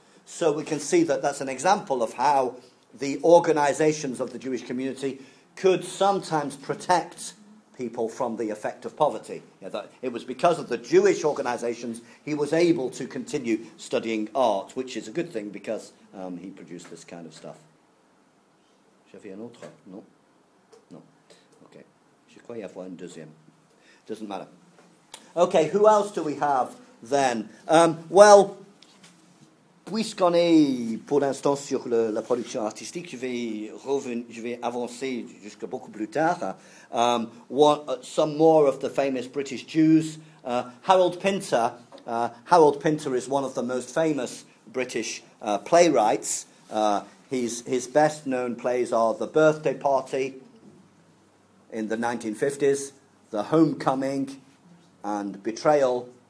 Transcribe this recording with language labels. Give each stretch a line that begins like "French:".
English: So we can see that that's an example of how the organisations of the Jewish community could sometimes protect people from the effect of poverty. Yeah, that it was because of the Jewish organisations he was able to continue studying art, which is a good thing because he produced this kind of stuff.
French: J'avais un autre? Non? Non. Okay. Je croyais avoir un deuxième.
English: Doesn't matter. Okay, who else do we have then? Well,
French: puisqu'on est pour l'instant sur la production artistique, je vais avancer jusqu'à beaucoup plus tard.
English: Some more of the famous British Jews. Harold Pinter is one of the most famous British playwrights. His best known plays are The Birthday Party in the 1950s, The Homecoming, and Betrayal.